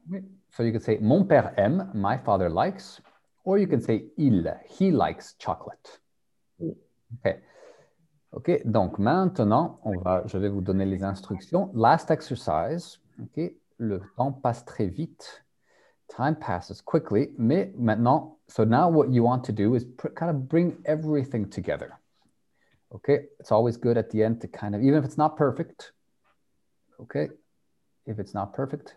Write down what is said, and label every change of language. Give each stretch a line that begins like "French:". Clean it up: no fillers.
English: Oui. So you could say,
French: mon père aime,
English: my father likes, Or you can say il, he likes chocolate. Okay.
French: OK, donc maintenant, je vais vous donner les instructions.
English: Last exercise,
French: OK, le temps passe très vite.
English: Time passes quickly,
French: mais maintenant,
English: so now what you want to do is kind of bring everything together. OK, it's always good at the end to kind of, even if it's not perfect, OK, if it's not perfect.